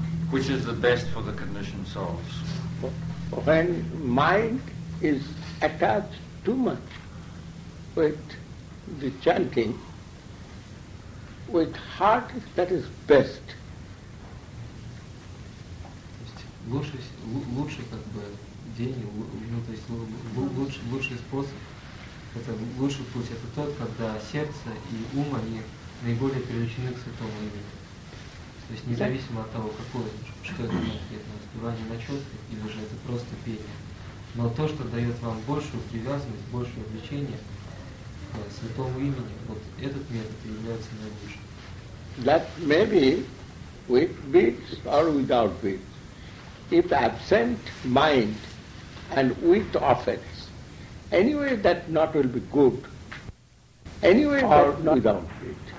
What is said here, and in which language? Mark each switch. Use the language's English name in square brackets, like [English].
[English] Which is the best for the conditioned souls? When mind is attached too much with the chanting, with heart that is best. [Russian] Лучше как бы день, ну то есть лучший способ, это лучший путь, это тот, когда сердце и ум, они наиболее привлечены к святому имени. То есть независимо от того, какое, что это конкретно, успевание на четках, или же это просто пение. Но то, что дает вам большую привязанность, большее влечение к святому имени, вот этот метод является наилучшим. [English] That may be with beads or without beads. If absent mind and weak offense, anyway that not will be good, anyway or not without it.